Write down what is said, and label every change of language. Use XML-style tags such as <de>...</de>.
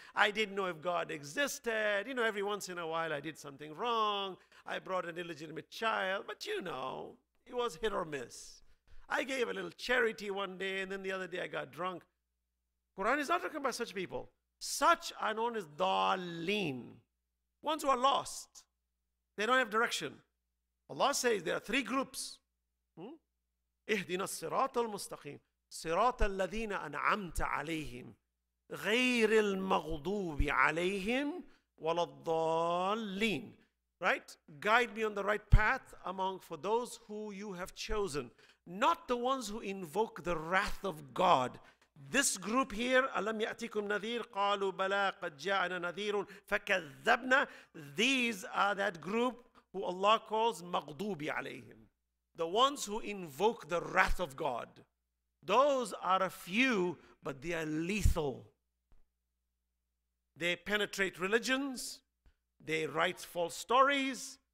<en>I didn't know if God existed. You know, every once in a while, I did something wrong. I brought an illegitimate child. But, you know, it was hit or miss. I gave a little charity one day, and then the other day I got drunk. Quran is not talking about such people. Such are known as dalleen, ones who are lost. They don't have direction. Allah says there are three groups.</en> <ar>Ihdina الصراط المستقيم صراط الذين أنعمت عليهم غير المغضوب عليهم ولا الضالين.</ar> <en>Right? Guide me on the right path among for those who you have chosen, not the ones who invoke the wrath of God. This group here,</en> <ar>أَلَمْ يَأْتِكُمْ نَذِيرٌ قَالُوا بَلَىٰ قَدْ جَاءَنَا نَذِيرٌ فَكَذَّبْنَا.</ar> <en>These are that group who Allah calls</en> <ar>مَغْضُوبِ عَلَيْهِمْ.</ar> <en>The ones who invoke the wrath of God. Those are a few, but they are lethal. They penetrate religions. They write false stories.</en>